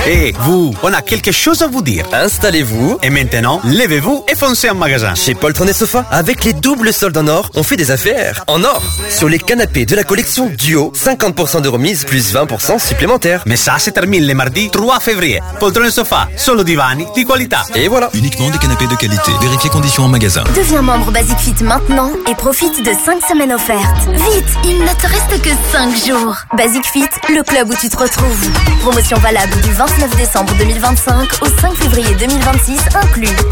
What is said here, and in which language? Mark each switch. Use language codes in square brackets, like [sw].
[fr] Hé, hey, vous, on a quelque chose à vous dire. Installez-vous. Et maintenant, levez-vous et foncez en magasin. Chez Poltron et Sofa, avec les doubles soldes en or, on fait des affaires en or. Sur les canapés de la collection Duo, 50% de remise plus 20% supplémentaire. Mais ça, c'est terminé le mardi 3 février. [it] Poltron et Sofa, solo divani di qualità. [fr] Et voilà. Uniquement des canapés de qualité. Vérifiez conditions en magasin. Deviens membre Basic Fit maintenant et profite de 5 semaines offertes. Vite, il ne te reste que 5 jours. Basic Fit, le club où tu te retrouves. Promotion valable du 29 décembre 2025 au 5 février 2026 inclus.